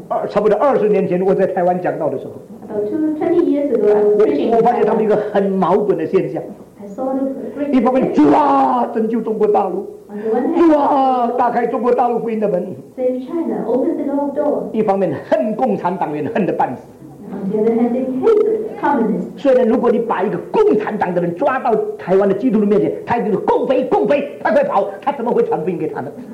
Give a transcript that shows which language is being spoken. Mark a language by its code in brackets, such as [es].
[zh] 差不多二十年前我在台湾讲道的时候。 [en] 20 years ago, I was preaching. [zh] 我发现他们一个很矛盾的现象。一方面，主啊，拯救中国大陆；主啊，打开中国大陆福音的门。 [en] Save China, open the door. [zh] 一方面恨共产党员，恨得半死。 [en] On the other hand, they hate the communists. [zh] 虽然如果你把一个共产党的人抓到台湾的基督徒面前，他就是共匪，共匪，快快跑！他怎么会传福音给他们？